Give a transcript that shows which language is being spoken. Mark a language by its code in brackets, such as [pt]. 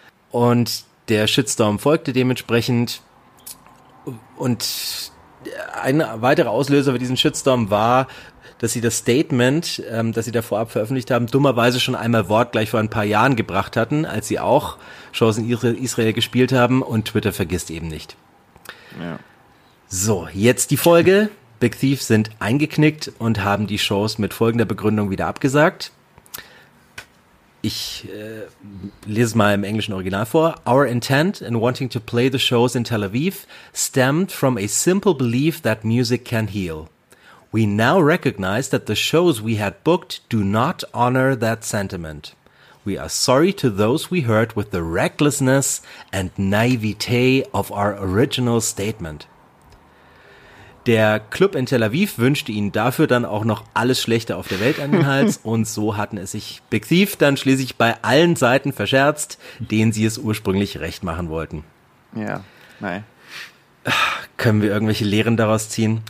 [de] Und der Shitstorm folgte dementsprechend. Und ein weiterer Auslöser für diesen Shitstorm war, dass sie das Statement, das sie da vorab veröffentlicht haben, dummerweise schon einmal wortgleich vor ein paar Jahren gebracht hatten, als sie auch Shows in Israel gespielt haben und Twitter vergisst eben nicht. Ja. So, jetzt die Folge. Big Thief sind eingeknickt und haben die Shows mit folgender Begründung wieder abgesagt. Ich lese mal im englischen Original vor. [en] Our intent in wanting to play the shows in Tel Aviv stemmed from a simple belief that music can heal. We now recognize that the shows we had booked do not honor that sentiment. We are sorry to those we hurt with the recklessness and naivete of our original statement. [de] Der Club in Tel Aviv wünschte ihnen dafür dann auch noch alles Schlechte auf der Welt an den Hals und so hatten es sich Big Thief dann schließlich bei allen Seiten verscherzt, denen sie es ursprünglich recht machen wollten. Ja, nein. Können wir irgendwelche Lehren daraus ziehen?